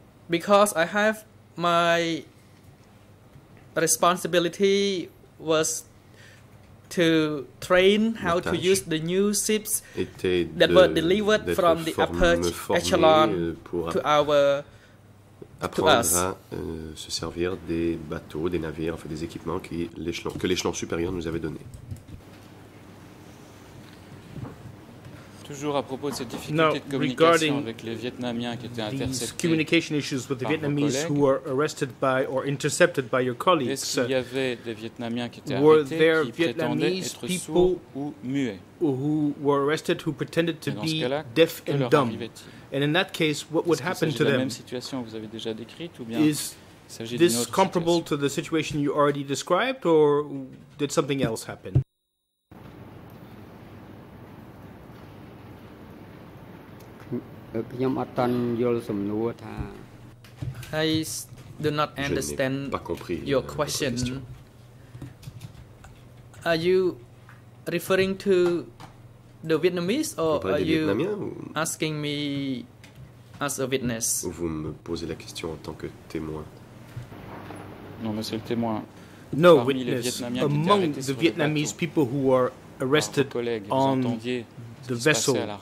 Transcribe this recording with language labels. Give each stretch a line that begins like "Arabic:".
English: Because I have my responsibility was to train how to use the new ships that were delivered from the upper echelon to our
French: apprendre
English: to us.
French: À se servir des bateaux, des navires, enfin des équipements qui l'échelon que l'échelon supérieur nous avait donné. Toujours à propos de cette difficulté de communication avec les Vietnamiens qui étaient interceptés.
English: These communication issues with the Vietnamese who were arrested by or intercepted by your colleagues.
French: Est-ce qu'il y avait des Vietnamiens qui étaient arrêtés qui prétendaient être sourds ou muets?
English: Who were arrested who pretended to be deaf and dumb? And in that case, what would happen to them?
French: La même situation que vous avez déjà décrite ou bien
English: is this comparable to the situation you already described or did something else happen? I do not understand your question. Are you referring to the Vietnamese or are you asking me as a witness?
French: Vous me posez la question en tant que témoin. Non, monsieur le témoin.
English: No, witness. Among the Vietnamese people who were arrested on the vessel.